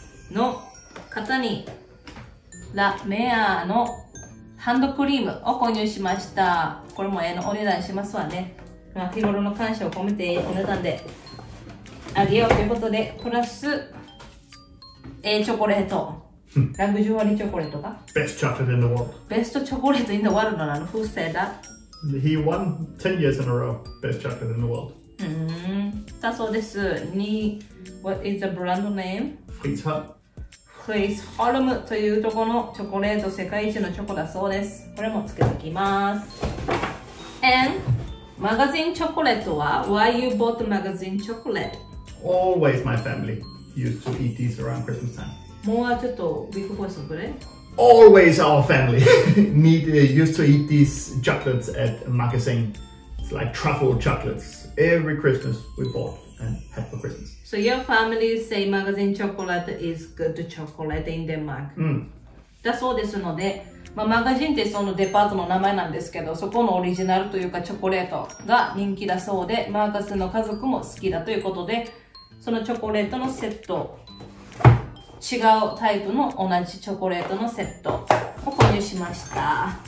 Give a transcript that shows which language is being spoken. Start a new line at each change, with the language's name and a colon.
Japanese: の方に、La Mea のハンドクリームを購入しました。これも絵のお値段しますわね。まあ、日頃の感謝を込めてお値段であげようということで、プラス、チョコレート、うん、ラグジュアリーチョコレートが
English: Best chocolate in the world、ベストチョコレート in the world
Japanese: なの。
English: Who said that? He won 10 years in a row Best chocolate in the world。
Japanese: だそうです。に
English: What is the brand name? Fritz Holm。
Japanese: Fritz Holm というところのチョコレート、世界一のチョコだそうです。これもつけておきます。
English: And
Japanese: マガジンチョコレートは
English: Why you bought the magazine chocolate? Always my family used to eat these around Christmas time。
Japanese: もうちょっとビッグボイスをくれ。
English: Always our family used to eat these chocolates at a magazine。 It's like truffle chocolates every Christmas we bought and had for Christmas。 So your family say magazine chocolate is good chocolate in Denmark、 mm.
Japanese: だそうですので、まあ、マガジンってそのデパートの名前なんですけど、そこのオリジナルというかチョコレートが人気だそうで、マーカスの家族も好きだということで、そのチョコレートのセット、違うタイプの同じチョコレートのセットを購入しました。